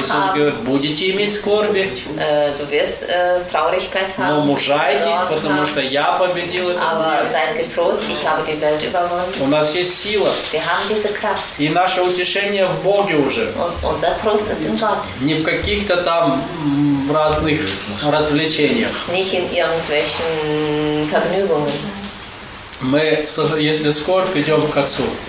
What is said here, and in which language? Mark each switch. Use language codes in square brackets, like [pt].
[ru] Иисус говорит, будете иметь скорби. [de] Du wirst Traurigkeit haben. [ru] Но мужайтесь, потому что я победил этот мир. [de] Aber seid getrost, ich habe die Welt überwunden. [ru] У нас есть сила. [de] Wir haben diese Kraft. [ru] И наше утешение в Боге уже. [de] Und unser Trost ist in Gott. [ru] Не в каких-то там разных развлечениях. [de] Nicht in irgendwelchen Vergnügungen. [ru] Мы, если скорбь, идем к Отцу.